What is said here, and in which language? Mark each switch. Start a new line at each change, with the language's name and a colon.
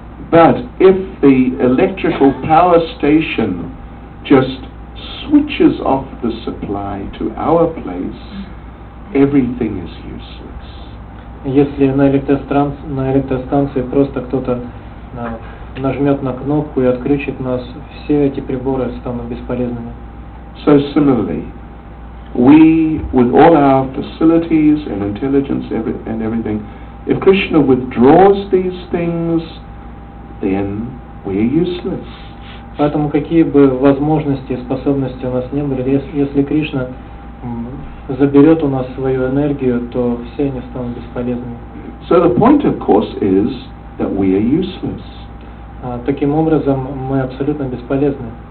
English: But if the electrical power station just switches off the supply to our place, everything is useless.
Russian: Если на электростанции просто кто-то нажмет на кнопку и отключит нас, все эти приборы станут бесполезными.
English: So similarly, we, with all our facilities and intelligence and everything, if Krishna withdraws these things, then we are useless.
Russian: Поэтому какие бы возможности и способности у нас не были, если Кришна заберет у нас свою энергию, то все они станут бесполезными.
English: So the point, of course, is that we are useless.
Russian: Таким образом, мы абсолютно бесполезны.